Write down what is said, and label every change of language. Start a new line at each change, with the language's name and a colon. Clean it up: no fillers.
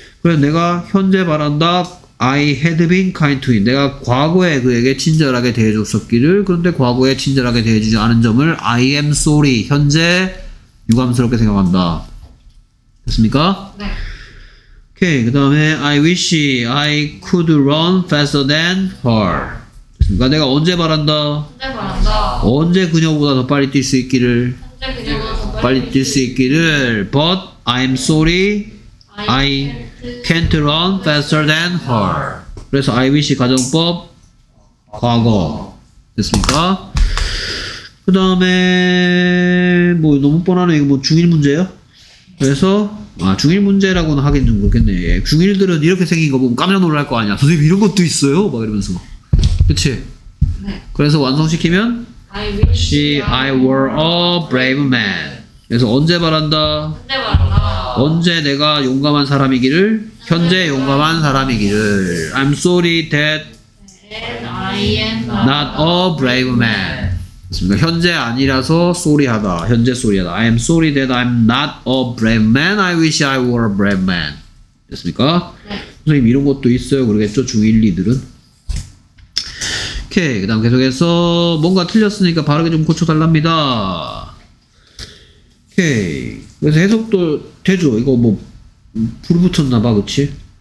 Korean: 그래서 내가 현재 바란다.
English: I had been kind to him.
Korean: 내가 과거에 그에게 친절하게 대해줬었기를. 그런데 과거에 친절하게 대해주지 않은 점을
English: I am sorry.
Korean: 현재 유감스럽게 생각한다. 됐습니까? 네. 오케이. 그 다음에
English: I wish I could run faster than her.
Korean: 그러니까 내가 언제 바란다? 언제 바란다? 언제 그녀보다 더 빨리 뛸 수 있기를? 언제 그녀보다 더 빨리 뛸 수 있기를?
English: But I'm sorry, I can't run faster than her.
Korean: 그래서 I wish 가정법 과거 됐습니까? 그 다음에 뭐 너무 뻔하네. 이거 뭐 중1 문제예요? 그래서 아 중1 문제라고는 하긴 좀 그렇겠네. 중1들은 이렇게 생긴 거 보면 깜짝 놀랄 거 아니야. 선생님 이런 것도 있어요? 막 이러면서. 그치? 네. 그래서 완성시키면
English: I wish I were a brave man.
Korean: 그래서 언제 바란다? 언제 바란다? 언제 내가 용감한 사람이기를? 현재 용감한 사람이기를.
English: I'm sorry that I am not a brave man.
Korean: 맞습니다. 현재 아니라서 쏘리하다. 현재 쏘리하다.
English: I am sorry that I'm not a brave man. I wish I were a brave man.
Korean: 됐습니까? 네. 선생님 이런 것도 있어요. 그러겠죠? 중1리들은. 오케이. 그 다음 계속해서 뭔가 틀렸으니까 바르게 좀 고쳐달랍니다. 오케이. 그래서 해석도 되죠? 이거 뭐 불 붙었나봐. 그치?